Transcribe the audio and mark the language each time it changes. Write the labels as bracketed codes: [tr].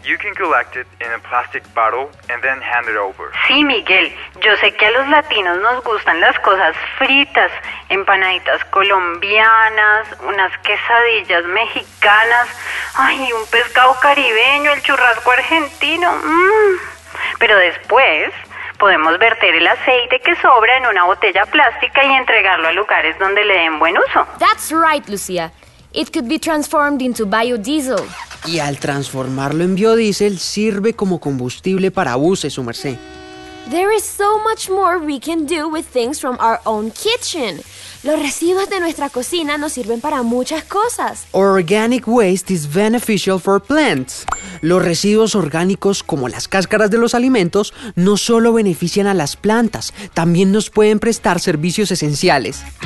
[en] You can collect it in a plastic bottle and then hand it over. [es] Sí, Miguel. Yo sé que a los latinos nos gustan las cosas fritas, empanaditas colombianas, unas quesadillas mexicanas, ay, un pescado caribeño, el churrasco argentino. Pero después podemos verter el aceite que sobra en una botella plástica y entregarlo a lugares donde le den buen uso. [en] That's right, Lucía. It could be transformed into biodiesel. [es] Y al transformarlo en biodiesel, sirve como combustible para buses, su merced. [en] There is so much more we can do with things from our own kitchen. [es] Los residuos de nuestra cocina nos sirven para muchas cosas. [en] Organic waste is beneficial for plants. [es] Los residuos orgánicos, como las cáscaras de los alimentos, no solo benefician a las plantas, también nos pueden prestar servicios esenciales.